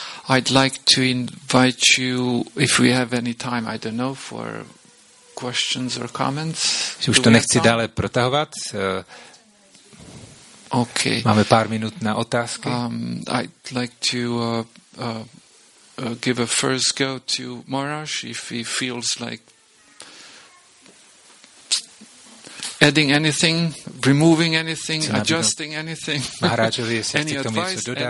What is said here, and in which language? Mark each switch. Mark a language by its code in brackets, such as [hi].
[en] I'd like to invite you, if we have any time, I don't know, for questions or comments. [cs] Už to nechci dále protahovat. [en] Okay. [cs] Máme pár minut na otázky. [en] I'd like to give a first go to Maharaj if he feels like adding anything, removing anything, adjusting anything. [cs] Maharajovi, jestli [en] any [cs] chci k tomu [en] advice, [cs] něco dodat.